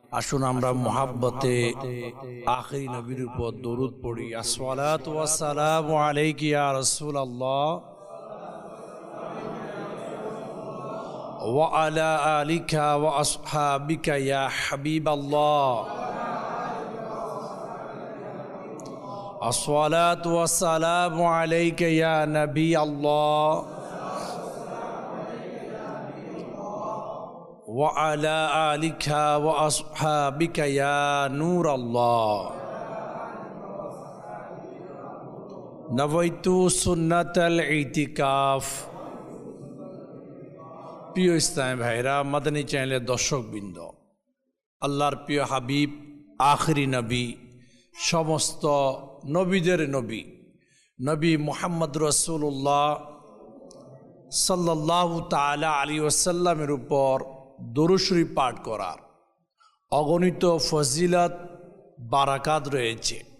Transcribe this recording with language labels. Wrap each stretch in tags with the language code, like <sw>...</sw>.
<bn>আসুন আমরা মহাব্বতে আখেরি নবীর উপর দরুদ পড়ি।</bn> <ar>আসসালাতু ওয়াসসালামু আলাইকা ইয়া রাসূলুল্লাহ ওয়া আলা আলিকা ওয়া আসহাবিকা ইয়া হাবিবাল্লাহ। আসসালাতু ওয়াসসালামু আলাইকা ইয়া নবী আল্লাহ وعلى آلك وأصحابك يا نور الله نويت سنة الاعتكاف।</ar> <bn>প্রিয় ইসলামী ভাইরা, মদনী চ্যানেলের দর্শক বৃন্দ, আল্লাহর প্রিয় হাবিব আখেরি নবী, সমস্ত নবীদের নবী, নবী মুহাম্মদ রাসূলুল্লাহ সাল্লাল্লাহু তাআলা আলাইহি ওয়াসাল্লামের উপর দরুদ শরীফ পাঠ করার অগণিত ফজিলত বারাকাত রয়েছে।</bn>